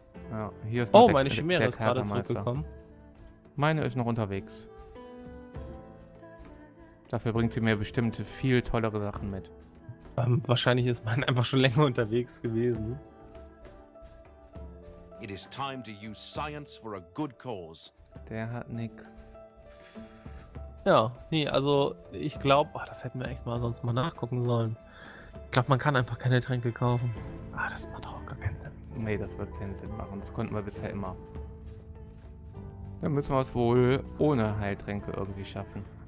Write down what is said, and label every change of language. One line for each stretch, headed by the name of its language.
German: Ja, hier ist noch meine Chimäre ist gerade zurückgekommen. Meine ist noch unterwegs. Dafür bringt sie mir bestimmt viel tollere Sachen mit. Wahrscheinlich ist meine einfach schon länger unterwegs gewesen.
English: It is time to use science for a good cause.
German: Der hat nix. Ja, nee, also ich glaube, das hätten wir echt mal sonst mal nachgucken sollen. Ich glaube, man kann einfach keine Tränke kaufen. Ah, das macht auch gar keinen Sinn. Nee, das wird keinen Sinn machen. Das konnten wir bisher immer. Dann müssen wir es wohl ohne Heiltränke irgendwie schaffen.